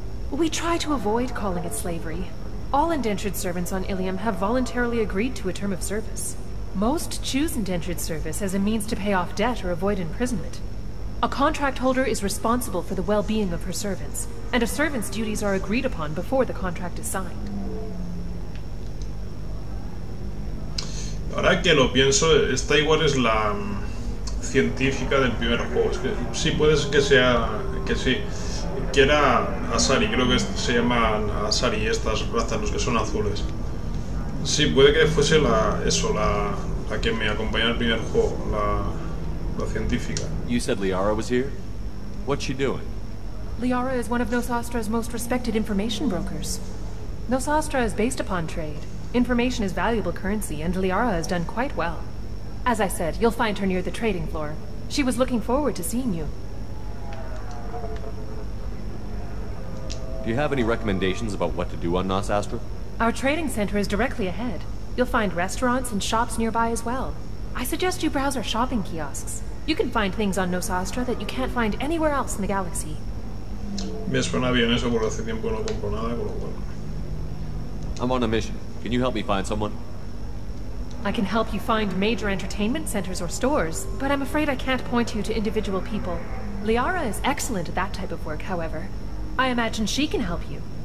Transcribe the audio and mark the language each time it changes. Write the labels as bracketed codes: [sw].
[en] We try to avoid calling it slavery. All indentured servants on Ilium have voluntarily agreed to a term of service. Most choose indentured service as a means to pay off debt or avoid imprisonment. A contract holder is responsible for the well-being of her servants, and a servant's duties are agreed upon before the contract is signed. [es] Ahora que lo pienso, esta igual es la científica del primer juego. Es que, sí, puede ser que sea, que sí, que era Asari, creo que se llaman Asari estas razas, los que son azules. Sí, puede que fuese la que me acompañó en el primer juego, la científica. [en] You said Liara was here? What's she doing? Liara is one of Nos Astra's most respected information brokers. Nos Astra is based upon trade. Information is valuable currency, and Liara has done quite well. As I said, you'll find her near the trading floor. She was looking forward to seeing you. Do you have any recommendations about what to do on Nos Astra? Our trading center is directly ahead. You'll find restaurants and shops nearby as well. I suggest you browse our shopping kiosks. You can find things on Nos Astra that you can't find anywhere else in the galaxy. [es] Me suena bien eso porque hace tiempo no compro nada, por lo cual. [en] I'm on a mission. Can you help me find someone? I can help you find major entertainment centers or stores, but I'm afraid I can't point you to individual people. Liara is excellent at that type of work, however. I imagine she can help you.